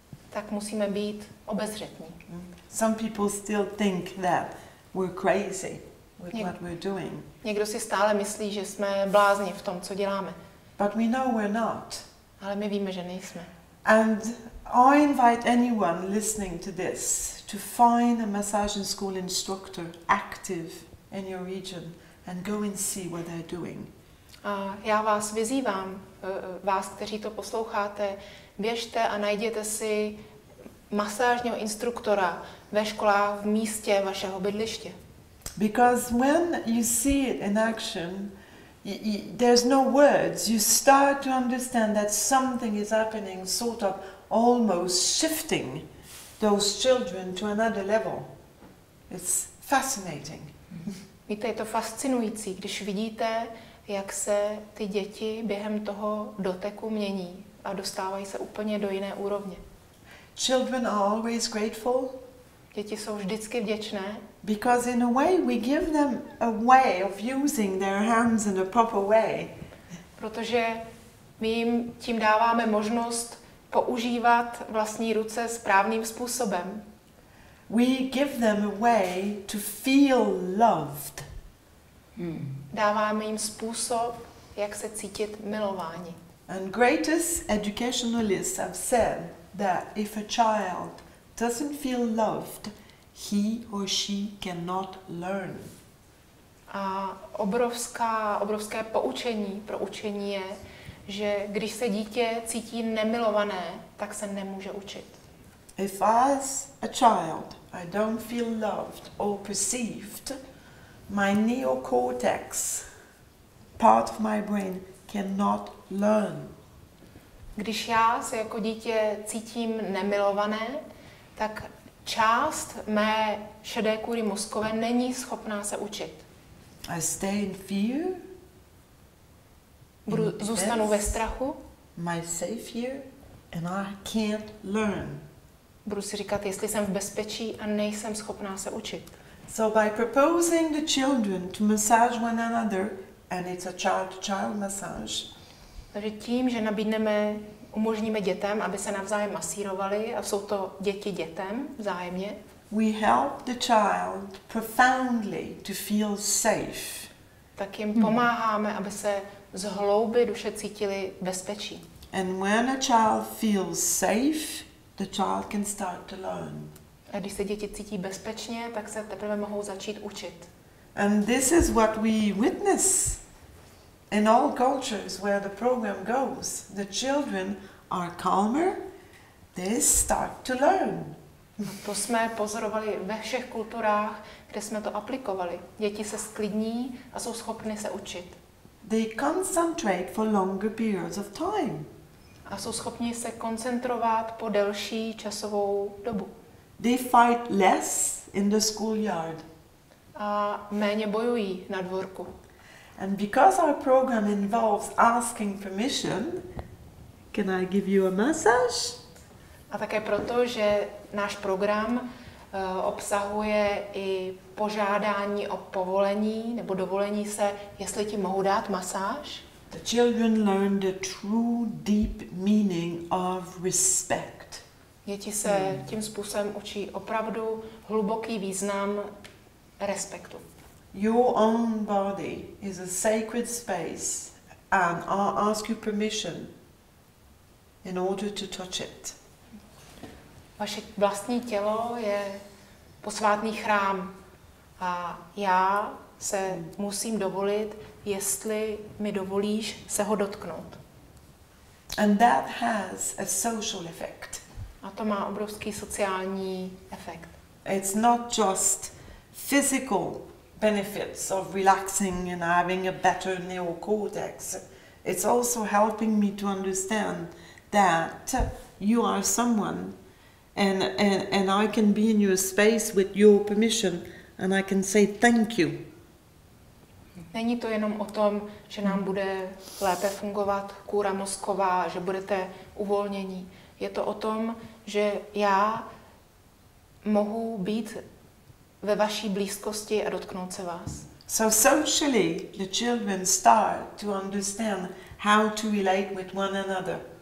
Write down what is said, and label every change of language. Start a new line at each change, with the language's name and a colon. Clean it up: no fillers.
Czech: Tak musíme být obezřetní.
English: Some people still think that we're crazy with what we're doing.
Czech: Někdo si stále myslí, že jsme blázni v tom, co děláme.
English: But we know we're not.
Czech: Ale my víme, že nejsme.
English: And I invite anyone listening to this to find a massage and school instructor active in your region and go and see what they're doing.
Czech: A já vás vyzývám, vás, kteří to posloucháte, běžte a najděte si masážního instruktora ve školách v místě vašeho bydliště.
English: Because when you see it in action, there's no words. You start to understand that something is happening, sort of almost shifting those children to another level. It's fascinating.
Czech: Víte, je to fascinující, když vidíte, jak se ty děti během toho doteku mění a dostávají se úplně do jiné úrovně.
English: Children are always grateful.
Czech: Děti jsou vždycky vděčné.
English: Because in a way we give them a way of using their hands in a proper way.
Czech: Protože my jim tím dáváme možnost používat vlastní ruce správným způsobem.
English: We give them a way to feel loved.
Czech: Dáváme jim způsob, jak se cítit milováni.
English: And greatest educationalists have said that if a child doesn't feel loved, he or she cannot learn.
Czech: A obrovské poučení pro učení je, že když se dítě cítí nemilované, tak se nemůže učit.
English: If as a child I don't feel loved or perceived, my neocortex, part of my brain, cannot learn.
Czech: Když já se jako dítě cítím nemilované, tak část mé šedé kůry mozkové není schopná se učit.
English: I stay in fear.
Czech: Zůstanu ve strachu.
English: My safe here, and I can't learn.
Czech: Budu si říkat, jestli jsem v bezpečí a nejsem schopná se učit.
English: So by proposing the children to massage one another, and it's a child-to-child massage.
Czech: Takže tím, že nabídneme, umožníme dětem, aby se navzájem masírovali, a jsou to děti dětem vzájemně.
English: We help the child profoundly to feel safe.
Czech: Tak jim pomáháme, aby se z hlouby duše cítili bezpečí.
English: And when a child feels safe, the child can start to learn.
Czech: A když se děti cítí bezpečně, tak se teprve mohou začít učit.
English: And this is what we witness in all cultures where the program goes. The children are calmer, they start to learn.
Czech: To jsme pozorovali ve všech kulturách, kde jsme to aplikovali. Děti se sklidní a jsou schopny se učit.
English: They concentrate for longer periods of time.
Czech: A jsou schopni se koncentrovat po delší časovou dobu.
English: They fight less in the schoolyard.
Czech: A méně bojují na dvorku.
English: And because our program involves asking permission, can I give you a massage?
Czech: A také proto, že náš program obsahuje i požádání o povolení nebo dovolení se, jestli ti mohu dát masáž.
English: The children learn the true deep meaning of respect.
Czech: Děti se tím způsobem učí opravdu hluboký význam respektu.
English: Your own body is a sacred space and I ask you permission in order to touch it.
Czech: Vaše vlastní tělo je posvátný chrám a já se musím dovolit, jestli mi dovolíš se ho dotknout.
English: And that has a social effect.
Czech: A to má obrovský sociální efekt.
English: It's not just physical benefits of relaxing and having a better neocortex. It's also helping me to understand that you are someone and I can be in your space with your permission and I can say thank you.
Czech: Není to jenom o tom, že nám bude lépe fungovat kůra mozková, že budete uvolnění. Je to o tom, že já mohu být ve vaší blízkosti a dotknout se vás.
English: So socially the children start to understand how to relate with one another.